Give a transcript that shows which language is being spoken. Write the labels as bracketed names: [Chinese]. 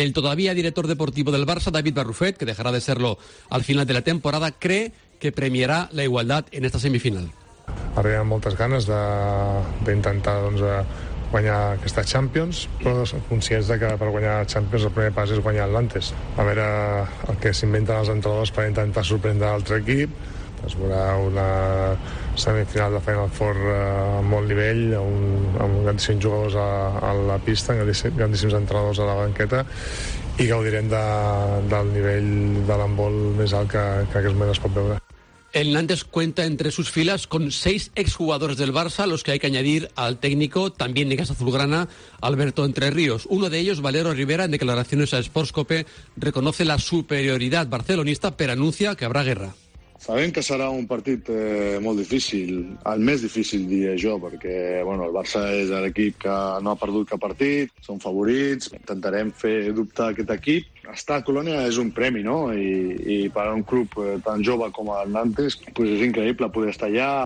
[Spanish] El todavía director deportivo del Barça, David Barrufet, que dejará de serlo al final de la temporada, cree que premiará la igualdad en esta semifinal. [Catalan] Arriba [Spanish] muchas ganas de intentar, [Catalan] doncs, guanyar aquesta Champions, però conscients de que per guanyar Champions el primer pas és guanyar l'Antes. A veure el que s'inventen els entrenadors per intentar sorprendre l'altre equip. Es veurà una semifinal de Final Four a molt nivell, amb grandíssims jugadors a la pista, grandíssims entrenadors a la banqueta, i gaudirem del nivell de l'handbol més alt que aquest moment es pot veure. [Spanish] El Nantes cuenta entre sus filas con 6 exjugadores del Barça, los que hay que añadir al técnico, también de casa azulgrana, Alberto Entre Ríos. Uno de ellos, Valero Rivera, en declaraciones a Sportscope, reconoce la superioridad barcelonista, pero anuncia que habrá guerra. [Catalan] Sabem que serà un partit molt difícil, el més difícil, diria jo, perquè bueno, el Barça és l'equip que no ha perdut cap partit, són favorits, intentarem fer dubtar aquest equip. Estar a Colònia és un premi, no? I per a un club tan jove com el Nantes, pues és increïble poder estar allà.